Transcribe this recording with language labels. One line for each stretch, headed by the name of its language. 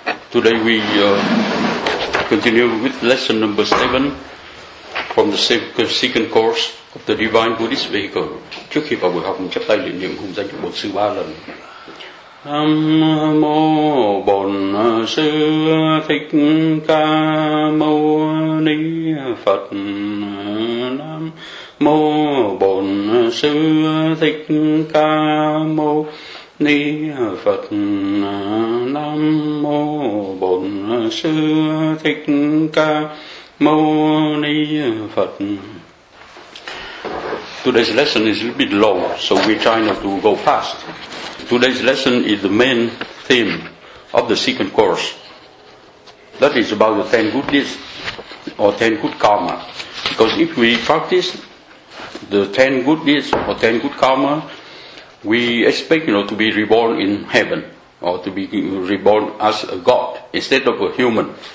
English: Today we continue with lesson number 7 from the second course of the Divine Buddhist Vehicle.
Vietnamese: Trước khi vào buổi học, mình chắp tay niệm niệm hùng danh của Bổn Sư 3 lần. Nam mô Bổn Sư Thích Ca Mâu Ni Phật. Nam mô Bổn Sư Thích Ca Mâu Ni Phật. Nam mô Bổn Sư Thích Ca Mâu Ni Phật.
English: Today's lesson is a little bit long, so we're trying not to go fast. Today's lesson is the main theme of the second course. That is about the 10 good deeds or 10 good karma. Because if we practice the 10 good deeds or 10 good karma, we expect, you know, to be reborn in heaven or to be reborn as a god instead of a human.